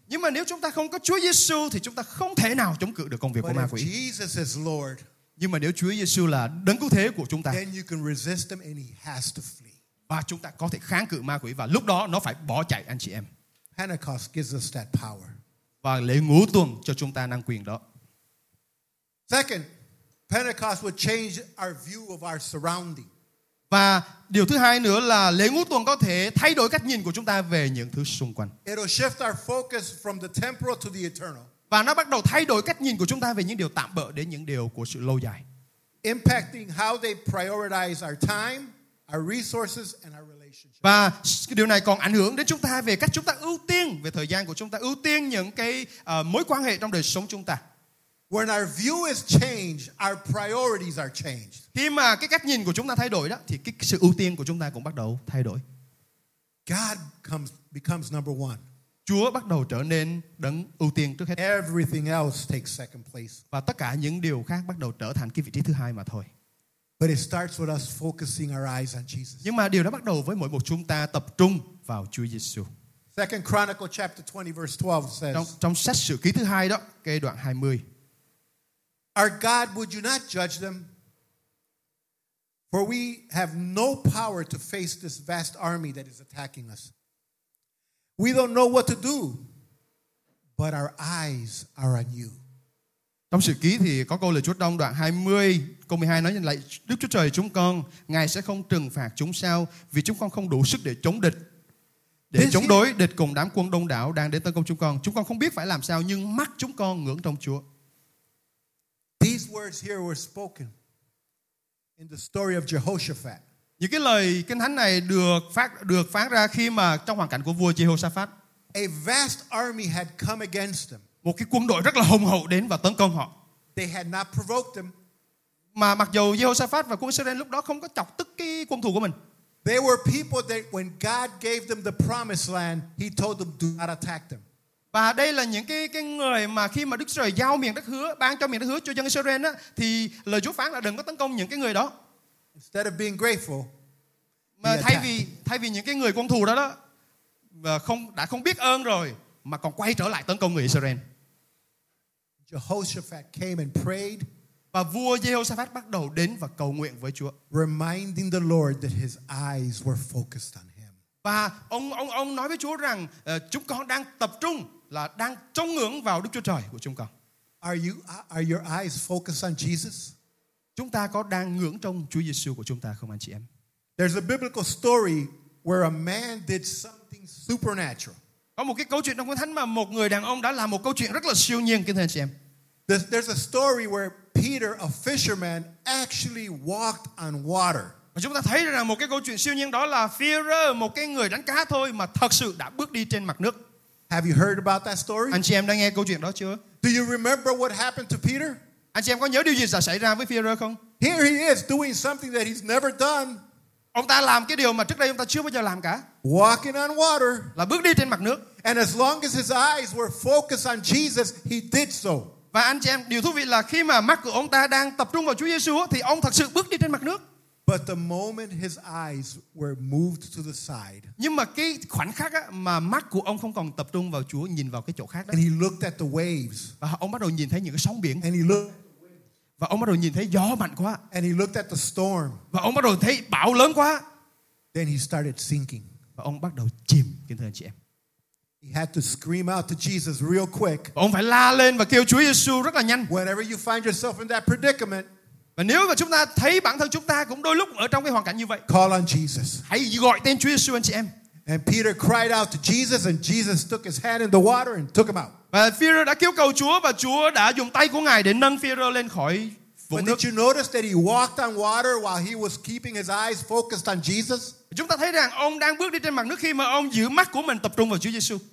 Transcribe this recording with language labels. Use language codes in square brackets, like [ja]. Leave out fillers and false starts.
[vi] Nhưng mà nếu chúng ta không có Chúa Giêsu thì chúng ta không thể nào chống cự được công việc [en] But [vi] của ma quỷ. [en] If Jesus is Lord. [vi] Nhưng mà nếu Chúa Giêsu là đấng cứu thế của chúng ta, [en] then you can resist him and he has to flee. [vi] Và chúng ta có thể kháng cự ma quỷ và lúc đó nó phải bỏ chạy, anh chị em. [en] Pentecost gives us that power. [vi] Và lễ ngũ tuần cho chúng ta năng quyền đó. [en] Second, Pentecost will change our view of our surrounding. [vi] Và điều thứ hai nữa là lễ ngũ tuần có thể thay đổi cách nhìn của chúng ta về những thứ xung quanh. [en] It'll shift our focus from the temporal to the eternal. [vi] Và nó bắt đầu thay đổi cách nhìn của chúng ta về những điều tạm bợ đến những điều của sự lâu dài. [en] Impacting how they prioritize our time, our resources and our relationships. [vi] Và điều này còn ảnh hưởng đến chúng ta về cách chúng ta ưu tiên về thời gian của chúng ta, ưu tiên những cái mối quan hệ trong đời sống chúng ta. [en] When our view is changed, our priorities are changed. [vi] Khi mà cái cách nhìn của chúng ta thay đổi đó thì cái sự ưu tiên của chúng ta cũng bắt đầu thay đổi. [en] God becomes number one. [vi] Chúa bắt đầu trở nên đấng ưu tiên trước hết. [en] Everything else takes second place. [vi] Và tất cả những điều khác bắt đầu trở thành cái vị trí thứ hai mà thôi. [en] But it starts with us focusing our eyes on Jesus. [vi] Nhưng mà điều đó bắt đầu với mỗi một chúng ta tập trung vào Chúa Giêsu. [en] 2 Chronicles chapter 20 verse 12 says. [vi] Trong sách sử ký thứ hai đó, cái đoạn 20. [en] Our God, would you not judge them? For we have no power to face this vast army that is attacking us. We don't know what to do, but our eyes are on you. [vi] Trong sử ký thì có câu lời Chúa trong đoạn 20 câu 12 nói như lại Đức Chúa Trời chúng con, Ngài sẽ không trừng phạt chúng sao vì chúng con không đủ sức để chống địch. Để chống đối địch cùng đám quân đông đảo đang đến tấn công chúng con. Chúng con không biết phải làm sao nhưng mắt chúng con ngưỡng trông Chúa. [en] These words here were spoken in the story of Jehoshaphat. [vi] Những cái lời kinh thánh này được phát ra khi mà trong hoàn cảnh của vua Jehoshaphat. [en] A vast army had come against them. [vi] Một cái quân đội rất là hùng hậu đến và tấn công họ. [en] They had not provoked them. [vi] Mà mặc dù Jehoshaphat và quân Israel lúc đó không có chọc tức cái quân thù của mình. [en] They were people that when God gave them the promised land, he told them do not attack them. [vi] Và đây là những cái người mà khi mà Đức Chúa Trời giao miền đất hứa, ban cho miền đất hứa cho dân Israel á, thì lời Chúa phán là đừng có tấn công những cái người đó. [en] Instead of being grateful, [vi] mà thay vì những cái người quân thù đó và không biết ơn rồi mà còn quay trở lại tấn công người Israel. [en] Jehoshaphat came and prayed. [vi] Và vua Jehoshaphat bắt đầu đến và cầu nguyện với Chúa. [en] Reminding the Lord that his eyes were focused on him. [vi] Và ông nói với Chúa rằng chúng con đang tập trung là đang trông ngưỡng vào Đức Chúa Trời của chúng con. [en] Are your eyes focused on Jesus? [vi] Chúng ta có đang ngưỡng trông Chúa Giêsu của chúng ta không anh chị em? [en] There's a biblical story where a man did something supernatural. [vi] Có một cái câu chuyện trong Kinh Thánh mà một người đàn ông đã làm một câu chuyện rất là siêu nhiên kính thưa anh chị em. [en] There's a story where Peter, a fisherman, actually walked on water. [vi] Và chúng ta thấy rằng một cái câu chuyện siêu nhiên đó là Peter, một cái người đánh cá thôi mà thật sự đã bước đi trên mặt nước. [en] Have you heard about that story? [vi] Anh chị em đã nghe câu chuyện đó chưa? [en] Do you remember what happened to Peter? [vi] Anh chị em có nhớ điều gì đã xảy ra với Peter không? [en] Here he is doing something that he's never done. [vi] Ông ta làm cái điều mà trước đây ông ta chưa bao giờ làm cả. [en] Walking on water. [vi] Là bước đi trên mặt nước. [en] And as long as his eyes were focused on Jesus, he did so. [vi] Và anh chị em, điều thú vị là khi mà mắt của ông ta đang tập trung vào Chúa Giêsu thì ông thật sự bước đi trên mặt nước. [en] But the moment his eyes were moved to the side. [vi] Nhưng mà cái khoảnh khắc á, mà mắt của ông không còn tập trung vào Chúa, nhìn vào cái chỗ khác đó. [en] And he looked at the waves. [vi] Và ông bắt đầu nhìn thấy những cái sóng biển. [en] And he looked. [vi] Và ông bắt đầu nhìn thấy gió mạnh quá. [en] And he looked at the storm. [vi] Và ông bắt đầu thấy bão lớn quá. [en] Then he started sinking. [vi] Và ông bắt đầu chìm, kính thưa anh chị em. [en] He had to scream out to Jesus real quick. [vi] Ông phải la lên và kêu Chúa Giêsu rất là nhanh. [en] Whenever you find yourself in that predicament, [vi] và nếu mà chúng ta thấy bản thân chúng ta cũng đôi lúc ở trong cái hoàn cảnh như vậy, [en] call on Jesus. [vi] Hãy gọi tên Chúa Giêsu anh chị em. [en] And Peter cried out to Jesus, and Jesus took his hand in the water and took him out. [vi] Và Peter đã kêu cầu Chúa và Chúa đã dùng tay của Ngài để nâng Peter lên khỏi vùng nước. [en] But did you notice that he walked on water while he was keeping his eyes focused on Jesus? [vi] Chúng ta thấy rằng ông đang bước đi trên mặt nước khi mà ông giữ mắt của mình tập trung vào Chúa Giêsu.